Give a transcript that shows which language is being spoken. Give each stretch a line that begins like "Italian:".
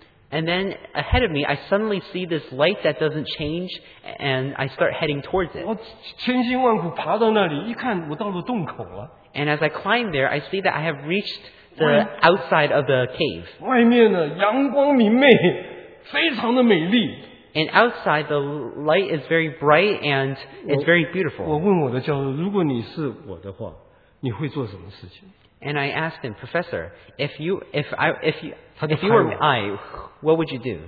English: And then ahead of me, I suddenly see this light that doesn't change, and I start heading towards it.
Chinese: 我千辛万苦爬到那里，一看， 我到了洞口了。
English: And as I climb there, I see that I have reached the outside of the cave.
Chinese: 外面呢, 阳光明媚, 非常的美丽。
English: And outside, the light is very bright and it's very beautiful.
Chinese: 我问我的教授, 如果你是我的话, 你会做什么事情？
English: And I asked him, Professor, if you were I, what would you do?